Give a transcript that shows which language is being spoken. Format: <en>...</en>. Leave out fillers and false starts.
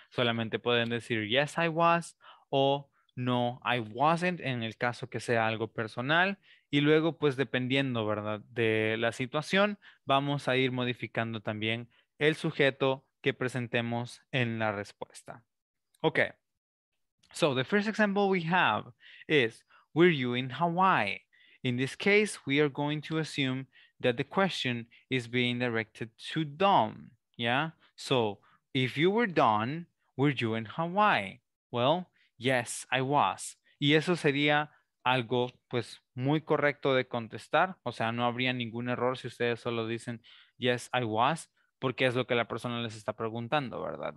<es>Solamente pueden decir</es> <en>yes, I was,</en> <es>o no,</es> <en>I wasn't,</en> <es>en el caso que sea algo personal. Y luego, pues, dependiendo, ¿verdad?, de la situación, vamos a ir modificando también el sujeto que presentemos en la respuesta.</es> <en>Okay. So the first example we have is, were you in Hawaii? In this case, we are going to assume that the question is being directed to Dom. Yeah, so if you were Don, were you in Hawaii? Well, yes, I was.</en> <es>Y eso sería algo, pues, muy correcto de contestar. O sea, no habría ningún error si ustedes solo dicen,</es> <en>yes, I was,</en> <es>porque es lo que la persona les está preguntando, ¿verdad?</es>